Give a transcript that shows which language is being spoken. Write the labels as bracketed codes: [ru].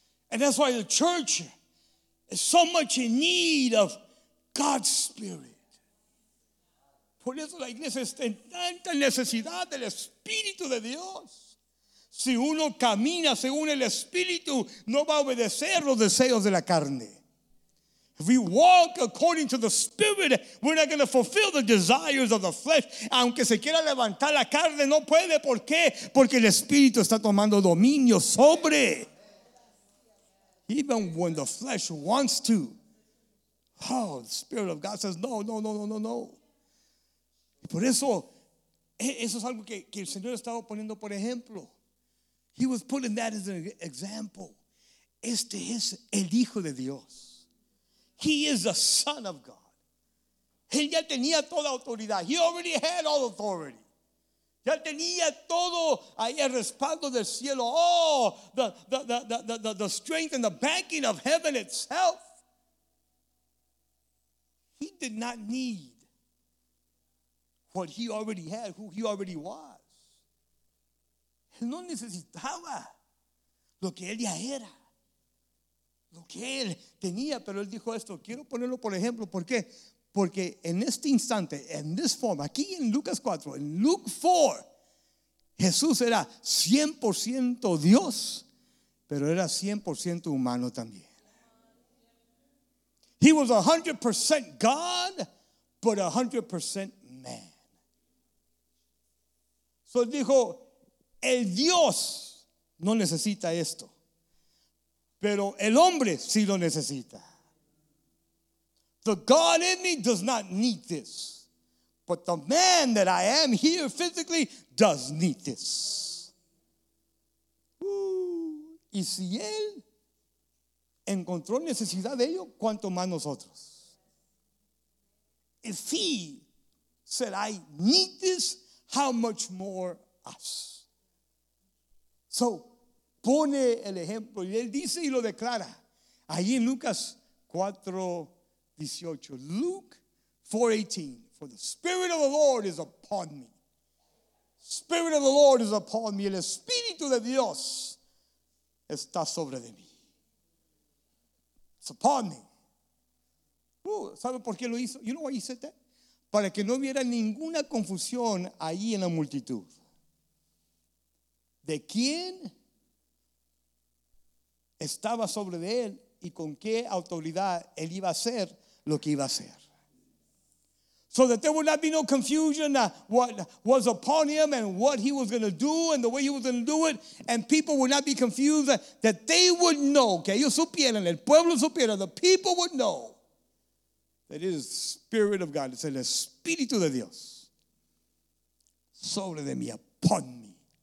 [en] And that's why the church is so much in need of God's Spirit. [es] Por eso la iglesia está en tanta necesidad del Espíritu de Dios. Si uno camina según el Espíritu, no va a obedecer los deseos de la carne. [en] If we walk according to the Spirit, we're not going to fulfill the desires of the flesh. [es] Aunque se quiera levantar la carne, no puede. ¿Por qué? Porque el Espíritu está tomando dominio sobre. [en] Even when the flesh wants to. Oh, the Spirit of God says, no. [es] Por eso es algo que el Señor estaba poniendo por ejemplo. [en] He was putting that as an example. [es] Este es el Hijo de Dios. [en] He is the Son of God. [es] Él ya tenía toda autoridad. [en] He already had all authority. [es] Ya tenía todo ahí el respaldo del cielo. [en] Oh, the strength and the backing of heaven itself. He did not need what he already had, who he already was. [es] Él no necesitaba lo que él ya era, lo que él tenía, pero él dijo esto. Quiero ponerlo por ejemplo. ¿Por qué? Porque en este instante, en [en] this form, [es] aquí en Lucas 4, en Luke 4, Jesús era 100% Dios, pero era 100% humano también. [en] He was 100% God, but 100% man. [es] Entonces dijo: el Dios no necesita esto, pero el hombre sí lo necesita. [en] The God in me does not need this, but the man that I am here physically does need this. [es] Y si él encontró necesidad de ello, ¿cuánto más nosotros? [en] If he said I need this, how much more us? [es] So, pone el ejemplo. Y él dice y lo declara. Ahí en Lucas 4:18. [en] Luke 4:18. For the Spirit of the Lord is upon me. Spirit of the Lord is upon me. [es] El Espíritu de Dios está sobre de mí. [en] It's upon me. [es] ¿Sabe por qué lo hizo? [en] You know why he said that? [es] Para que no hubiera ninguna confusión ahí en la multitud. de quién estaba sobre de él y con qué autoridad él iba a hacer lo que iba a hacer. [en] So that there would not be no confusion what was upon him and what he was going to do and the way he was going to do it, and people would not be confused, that they would know, [es] que ellos supieran, el pueblo supiera, [en] the people would know that it is the Spirit of God, it's [es] el Espíritu de Dios sobre de mí, [en] upon me.